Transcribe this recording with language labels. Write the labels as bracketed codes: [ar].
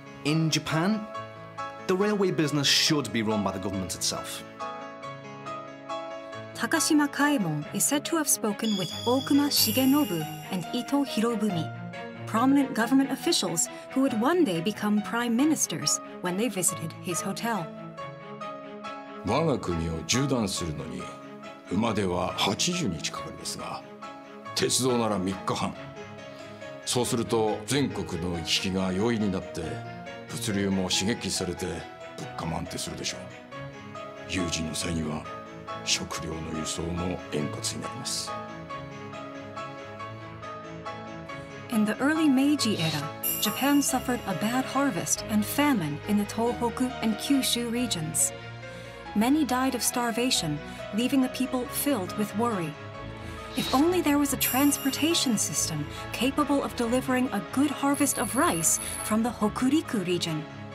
[en] In Japan, the railway business should be run by the government itself. Takashima Kaemon is said to have spoken with Okuma Shigenobu and Ito Hirobumi, prominent government officials who would one day become prime ministers when they visited his hotel. [ja] 我が国を縦断するのに馬では80日かかりますが、鉄道なら3日半。そうすると全国の行き来が容易になって、物流も刺激されて物価も安定するでしょう。有事の際には食料の輸送も円滑になります。 [en] In the early Meiji era, Japan suffered a bad harvest and famine in the Tohoku and Kyushu regions. Many died of starvation, leaving the people filled with worry. If only there was a transportation system capable of delivering a good harvest of rice from the Hokuriku region.